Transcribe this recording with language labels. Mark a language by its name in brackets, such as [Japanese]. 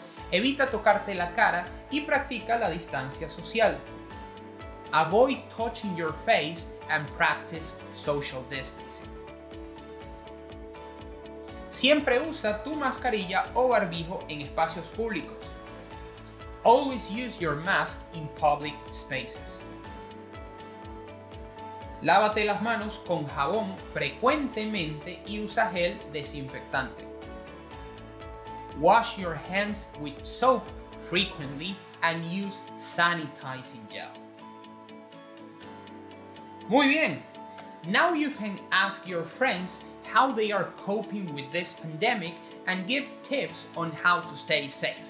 [Spanish] Evita tocarte la cara y practica la distancia social. [English] Avoid touching your face and practice social distancing. [Spanish] Siempre usa tu mascarilla o barbijo en espacios públicos. [English] Always use your mask in public spaces. [Spanish] Lávate las manos con jabón frecuentemente y usa gel desinfectante. [English] Wash your hands with soap frequently and use sanitizing gel. [Spanish] Muy bien. [English] Now you can ask your friends how they are coping with this pandemic and give tips on how to stay safe.